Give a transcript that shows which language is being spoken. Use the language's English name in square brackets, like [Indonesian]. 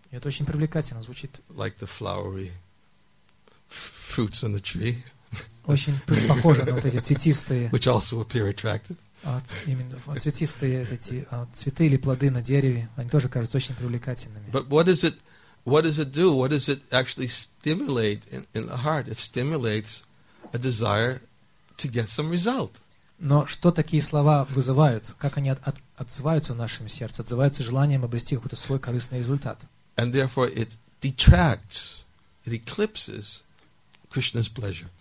[Russian] И это очень привлекательно звучит. [English] Like the flowery fruits on the tree. [Russian] Очень похоже на вот эти цветистые. [English] Which also appear attractive. [Russian] Именно цветистые эти цветы или плоды на дереве, они тоже кажутся очень привлекательными. [English] But what does it do? What does it actually stimulate in the heart? It stimulates a desire to get some result. [Russian] Но что такие слова вызывают? Как они отзываются в нашем сердце? Отзываются желанием обрести какой-то свой корыстный результат? [English] And therefore it detracts, it eclipses Krishna's pleasure.